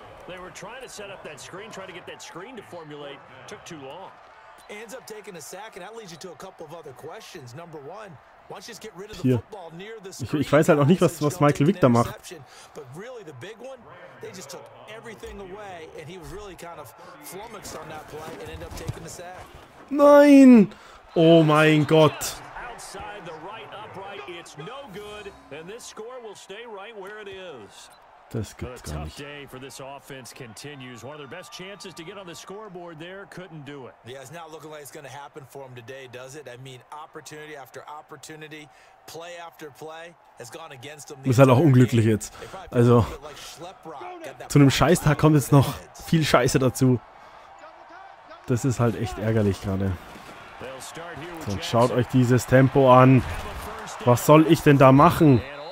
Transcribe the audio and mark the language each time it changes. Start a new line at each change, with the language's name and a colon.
English: They were trying to set up that screen, trying to get that screen to formulate. Took too long. Ends up taking a sack, and that leads you to a couple of other questions. Number one, why don't you just get rid of the football near the screen?
German: Ich weiß halt auch nicht, was Michael Vick da macht.
English: But really, the big one, they just took everything away, and he was really kind of flummoxed on that play and ended up taking the sack.
German: Nein! Oh mein Gott!
English: Side the right upright, it's no good, and this score will stay right where it is.
German: Das gibt's gar nicht.
English: A tough day for this offense continues. One of their best chances to get on the scoreboard there couldn't do it. Yeah, it's not looking like it's going to happen for them today, does it? I mean, opportunity after opportunity, play after play has gone against them.
German: Ist halt auch unglücklich jetzt. Also zu einem Scheißtag kommt jetzt noch viel Scheiße dazu. Das ist halt echt ärgerlich gerade. So, schaut euch dieses Tempo an. Was soll ich denn da machen?